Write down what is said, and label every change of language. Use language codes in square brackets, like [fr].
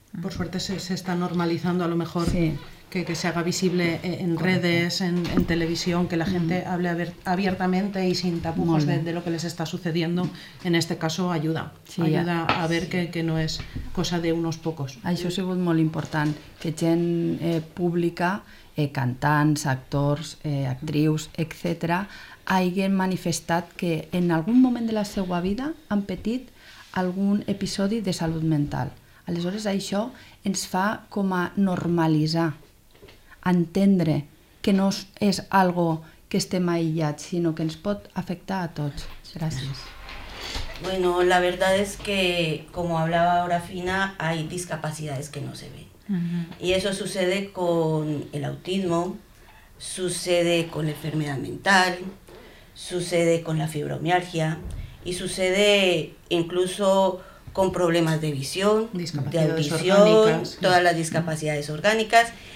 [es] Por suerte se está normalizando, a lo mejor, sí. que se haga visible en redes, en televisión, que la gente hable abiertamente y sin tapujos de lo que les está sucediendo. En este caso, ayuda. Sí, ayuda a ver que no es cosa de unos pocos. [ca] Això ha sigut molt important, que gent pública... cantants, actors, actrius, etc., hagin manifestat que en algun moment de la seva vida han patit algun episodi de salut mental. Aleshores, això ens fa com a normalitzar, entendre que no és algo que estem aïllats, sinó que ens pot afectar a tots. Gràcies. [es] Bueno, la verdad es que, como hablaba ahora Fina, hay discapacidades que no se ven. Y eso sucede con el autismo, sucede con la enfermedad mental, sucede con la fibromialgia y sucede incluso con problemas de visión, de audición, todas las discapacidades orgánicas.